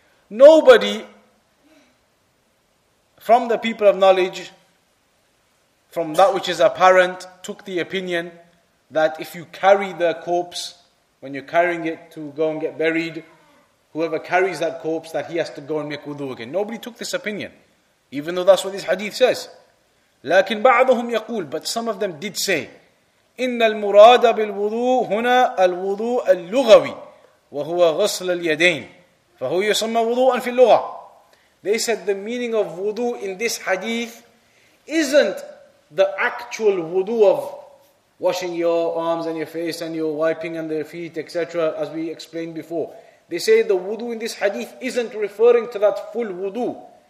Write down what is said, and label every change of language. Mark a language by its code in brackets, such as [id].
[en] Nobody from the people of knowledge, from that which is apparent, took the opinion that if you carry the corpse, when you're carrying it to go and get buried, whoever carries that corpse, that he has to go and make wudu again. Nobody took this opinion, even though that's what this hadith says. [ar] لكن بعضهم يقول, [en] but some of them did say, [ar] إن المراد بالوضوء هنا الوضوء اللغوي وهو غسل اليدين فهو يسمى وضوءا في اللغة. [en] They said the meaning of wudu in this hadith isn't the actual wudu of washing your arms and your face and your wiping and their feet, etc., as we explained before. They say the wudu in this hadith isn't referring to that full wudu.